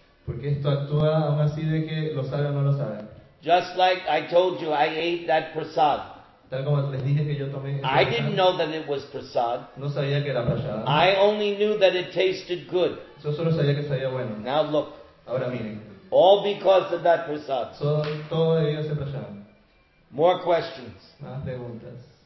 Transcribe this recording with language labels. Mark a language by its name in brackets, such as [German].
[Spanish] Porque esto actúa aún así de que lo sabe o no lo sabe. [English] Just like I told you, I ate that prasad. [Spanish] Tal como les dije que yo tomé ese [English] I didn't know that it was prasad. [Spanish] No sabía que era prasad. [English] I only knew that it tasted good. [Spanish] Yo solo sabía que sabía bueno. [English] Now look. [Spanish] Ahora miren. [English] All because of that prasad. [Spanish] Todo debido a ese prasad. [English] More questions. [Spanish] Más preguntas.